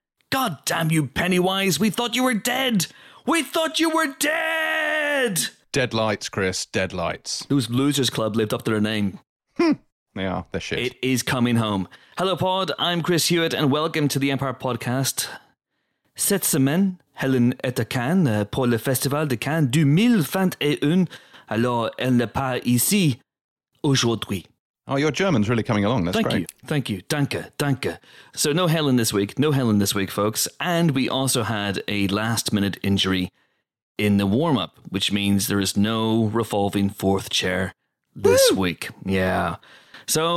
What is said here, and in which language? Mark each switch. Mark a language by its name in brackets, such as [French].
[English] God damn you, Pennywise. We thought you were dead. We thought you were dead. Deadlights, Chris. Deadlights. Those losers club lived up to their name. They are. They're shit. It is coming home. Hello, Pod. I'm Chris Hewitt, and welcome to the Empire Podcast. [French] Cette semaine, Helen est à Cannes pour le festival de Cannes 2021. Alors, elle n'est pas ici aujourd'hui. [English] Oh, your German's really coming along. That's thank great. Thank you. Thank you. [German] Danke. Danke. [English] So, no Helen this week. No Helen this week, folks. And we also had a last-minute injury in the warm-up, which means there is no revolving fourth chair this Woo! Week. Yeah. So,